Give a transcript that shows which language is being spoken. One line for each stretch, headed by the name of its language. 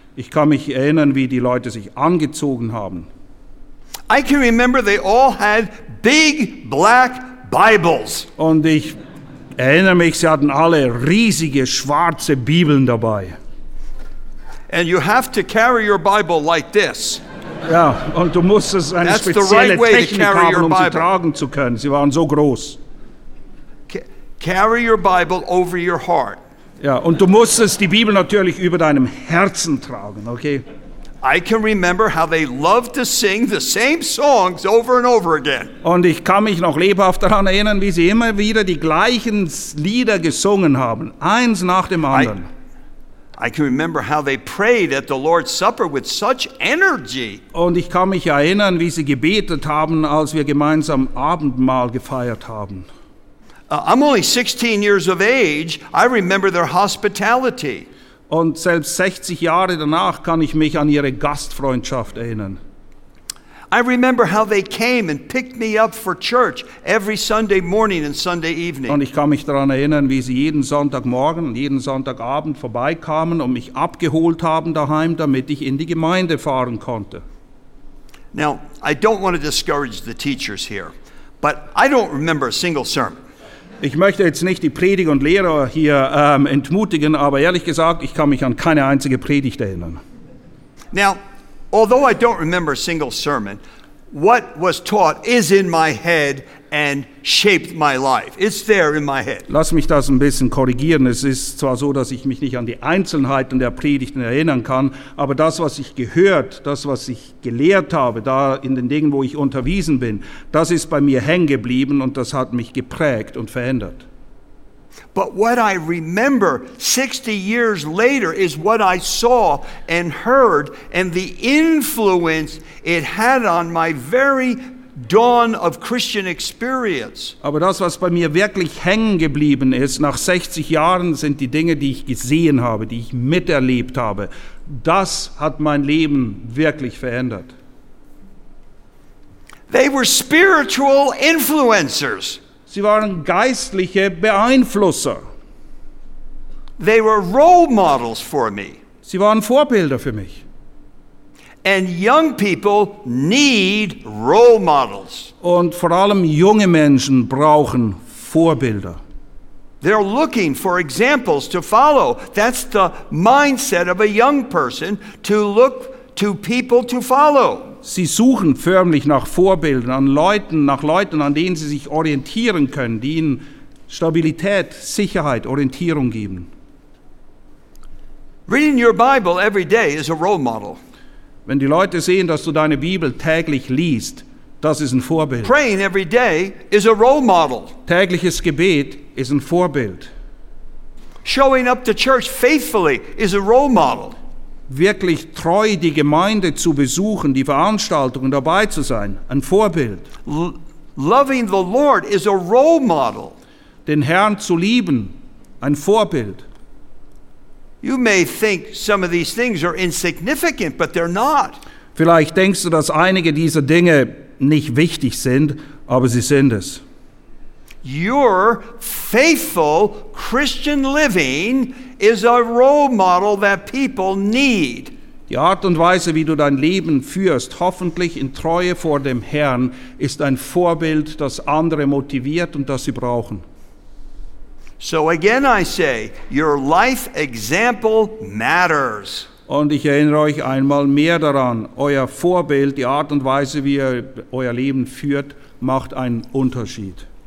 German: Ich kann mich erinnern, wie die Leute sich angezogen haben.
English: I can remember they all had big black Bibles.
German: Und ich erinnere mich, sie hatten alle riesige schwarze Bibeln dabei.
English: And you have to carry your Bible like this.
German: Ja, und du musstest eine
English: That's
German: spezielle
English: the right
German: Technik
English: way to
German: haben, um
English: Bible.
German: Sie tragen zu können. Sie waren so groß.
English: Carry your Bible over your heart.
German: Ja, und du musstest die Bibel natürlich über deinem Herzen tragen, okay?
English: I can remember how they loved to sing the same songs over and over again.
German: Und ich kann mich noch lebhaft daran erinnern, wie sie immer wieder die gleichen Lieder gesungen haben, eins nach dem anderen.
English: I can remember how they prayed at the Lord's Supper with such energy.
German: Und ich kann mich erinnern, wie sie gebetet haben, als wir gemeinsam Abendmahl gefeiert haben.
English: I'm only 16 years of age. I remember their hospitality.
German: Und selbst 60 Jahre danach kann ich mich an ihre Gastfreundschaft erinnern.
English: I remember how they came and picked me up for church every Sunday morning and Sunday evening.
German: Und ich kann mich daran erinnern, wie sie jeden Sonntagmorgen und jeden Sonntagabend vorbeikamen und mich abgeholt haben daheim, damit ich in die Gemeinde fahren konnte.
English: Now, I don't want to discourage the teachers here, but I don't remember a single sermon.
German: Ich möchte jetzt nicht die Prediger und Lehrer hier entmutigen, aber ehrlich gesagt, ich kann mich an keine einzige Predigt erinnern.
English: Now, although I don't remember a single sermon, what was taught is in my head and shaped my life. It's there in my head.
German: Lass mich das ein bisschen korrigieren. Es ist zwar so, dass ich mich nicht an die Einzelheiten der Predigten erinnern kann, aber das, was ich gehört, das, was ich gelehrt habe, da in den Dingen, wo ich unterwiesen bin, das ist bei mir hängen geblieben und das hat mich geprägt und verändert.
English: But what I remember 60 years later is what I saw and heard and the influence it had on my very dawn of Christian experience.
German: Aber das, was bei mir wirklich hängen geblieben ist, nach 60 Jahren, sind die Dinge, die ich gesehen habe, die ich miterlebt habe. Das hat mein Leben wirklich verändert.
English: They were spiritual influencers.
German: Sie waren geistliche Beeinflusser.
English: They were role models for me.
German: Sie waren Vorbilder für mich.
English: And young people need role models.
German: Und vor allem junge Menschen brauchen Vorbilder.
English: They're looking for examples to follow. That's the mindset of a young person, to look to people to follow.
German: sie suchen förmlich nach Vorbildern, nach Leuten, an denen sie sich orientieren können, die ihnen Stabilität, Sicherheit, Orientierung geben.
English: Reading your Bible every day is a role model.
German: Wenn die Leute sehen, dass du deine Bibel täglich liest, das ist ein Vorbild.
English: Praying every day is a role model.
German: Tägliches Gebet ist ein Vorbild.
English: Showing up to church faithfully is a role model.
German: Wirklich treu die Gemeinde zu besuchen, die Veranstaltungen dabei zu sein, ein Vorbild.
English: Loving the Lord is a role model.
German: Den Herrn zu lieben, ein Vorbild.
English: You may think some of these things are insignificant, but they're not.
German: Vielleicht denkst du, dass einige dieser Dinge nicht wichtig sind, aber sie sind es.
English: Your faithful Christian living is a role model that people need.
German: Die Art und Weise, wie du dein Leben führst, hoffentlich in Treue vor dem Herrn, ist ein Vorbild, das andere motiviert und das sie brauchen.
English: So again I say, your life example matters.
German: Und ich erinnere euch einmal mehr daran, euer Vorbild, die Art und Weise, wie ihr euer Leben führt, macht einen Unterschied.